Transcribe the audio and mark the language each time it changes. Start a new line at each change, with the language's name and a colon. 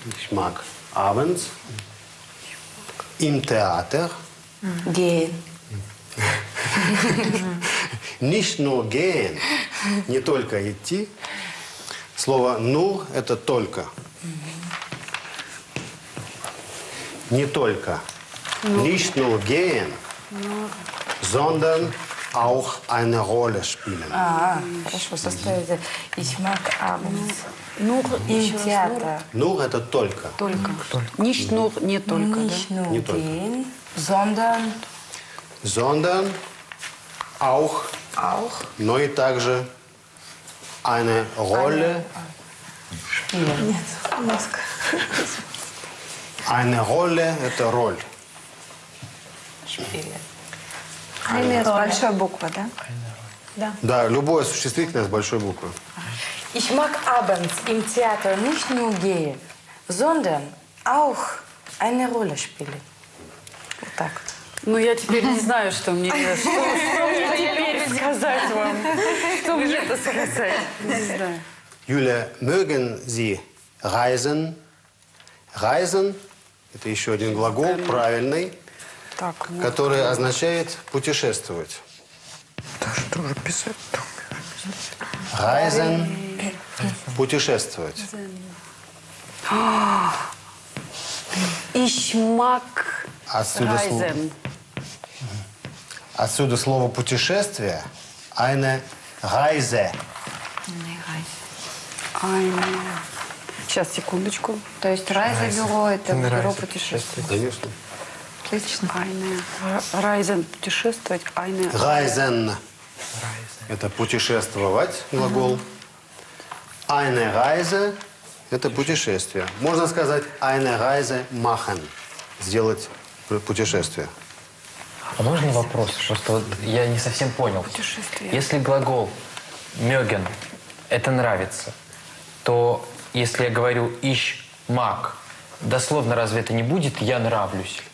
German: Ich mag abends. Im Theater. Gehen. Nicht nur gehen,
Russian: не только идти. Слово nur – это только. Не только.
German: Nicht nur gehen, sondern auch eine Rolle spielen.
Russian: А, хорошо, составите.
German: Ich mag abends. Nur im Theater.
Russian: Nur – это только. Только.
German: Nicht nur
Russian: – не только.
German: Nicht nur gehen, sondern… Sondern auch, auch,
Russian: но и также
German: eine Rolle, eine Rolle
Russian: – это роль.
German: Eine
Russian: большая буква, да? Да, любое существительное с большой буквы.
German: Ich mag abends im Theater nicht nur gehen, sondern auch eine Rolle spielen.
Russian: Вот так вот. Ну, я теперь не знаю, что мне сказать вам. Что мне это сказать? Не знаю.
German: Юля, mögen Sie reisen?
Russian: Reisen – это еще один глагол, правильный, который означает путешествовать. Да что же писать-то? Reisen – путешествовать.
German: Ich mag reisen.
Russian: Отсюда слово «путешествие» – «eine Reise».
German: «Eine Reise».
Russian: Сейчас, секундочку. То есть «Reisebüro» – это «бюро путешествий». Конечно. Отлично.
German: «Eine Reisen» –
Russian: «путешествовать».
German: «Eine
Russian: Reisen» – это «путешествовать» глагол. «Eine Reise» – это «путешествие». Можно сказать
German: «eine Reise machen»
Russian: – «сделать путешествие». А можно вопрос? Просто вот я не совсем понял. Если глагол «мёген» – это «нравится», то если я говорю «ищ маг», дословно разве это не будет «я нравлюсь»?